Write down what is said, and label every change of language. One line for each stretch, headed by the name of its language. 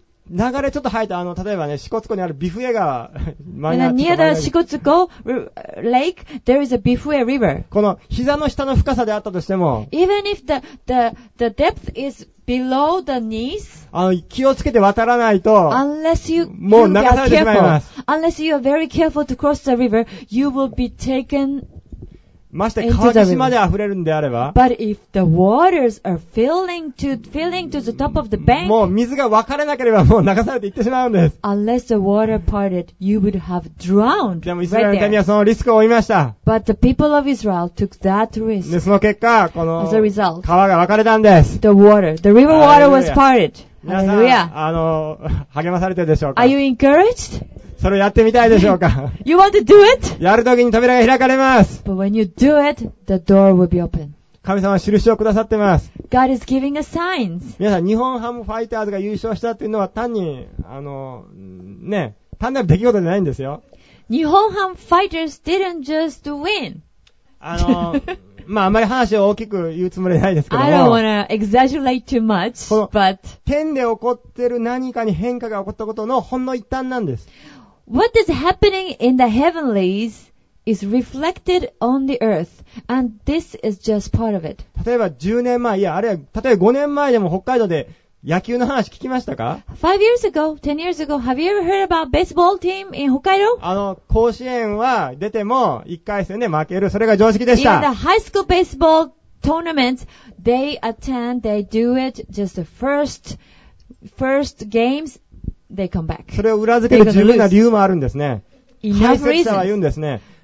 Japanese: 流れちょっと入った、あの、例えばね、支笏湖にあるビフエ川、真ん中に。
English: Near the 支笏湖 lake, there is a ビフエ river.
Japanese: この、膝の下の深さであったとしても。
English: Even if the depth is below the knees.
Japanese: あの、気をつけて渡らないと。
English: Unless you,
Japanese: もう流されてしまいます。
English: Unless you are very careful to cross the river, you will be taken
Japanese: まして川岸まで溢れるんであれば、
English: But if the waters are filling to the top of the bank,
Japanese: もう水が分かれなければもう流されていってしまうんです。
English: Unless the water parted, you would have drowned.
Japanese: でもイスラエルの民はそのリスクを負いました。
English: Right、But the people of Israel took that risk.
Japanese: でその結果この
English: As a result,
Japanese: 川が分かれたんです。
English: The river water was parted.
Japanese: 皆さん、
English: Hallelujah.
Japanese: あの励まされてるでしょうか。
English: Are you encouraged?
Japanese: それをやってみたいでしょうか
English: You want to do it?
Japanese: やるときに扉が開かれます。
English: But when you do it, the door will be open.
Japanese: 神様は印をくださってます。
English: God is giving us signs.
Japanese: 皆さん、日本ハムファイターズが優勝したっていうのは単に、あの、ね、単なる出来事じゃないんですよ。
English: 日本ハムファイターズ didn't just win.
Japanese: あの、まあ、あまり話を大きく言うつもりないですけども。
English: I don't wanna exaggerate too much, but
Japanese: 天で起こってる何かに変化が起こったことのほんの一端なんです。
English: What is happening in the heavenlies is reflected on the earth, and this is just part of it.
Japanese: 例えば10年前、いや、あるいは、例えば5年前でも北海道で野球の話聞きましたか
English: ?5 years ago, 10 years ago, have you ever heard about baseball team in Hokkaido?
Japanese: あの、甲子園は出ても1回戦で負ける。それが常識でした。
English: In the high school baseball tournament, they attend, they do it just the first games,They come back.
Japanese: それを裏付ける十分な理由もあるんですね。解説者は言うんですね。